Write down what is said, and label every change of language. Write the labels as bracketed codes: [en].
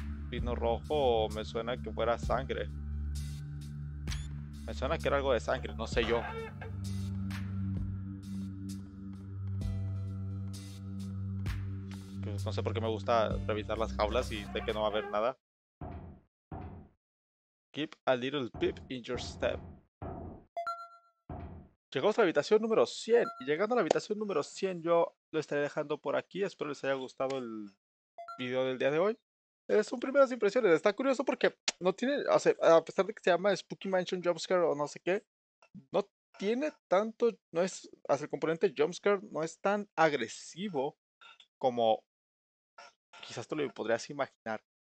[es] Vino rojo, me suena que fuera sangre. Me suena que era algo de sangre, no sé yo. No sé por qué me gusta revisar las jaulas y sé que no va a haber nada. [en] Keep a little pip in your step. [es] Llegamos a la habitación número 100. Y llegando a la habitación número 100, yo lo estaré dejando por aquí. Espero les haya gustado el video del día de hoy. Son primeras impresiones. Está curioso porque no tiene, o sea, a pesar de que se llama Spooky Mansion Jumpscare o no sé qué, no tiene tanto, no es, hasta el componente jumpscare no es tan agresivo como quizás tú lo podrías imaginar.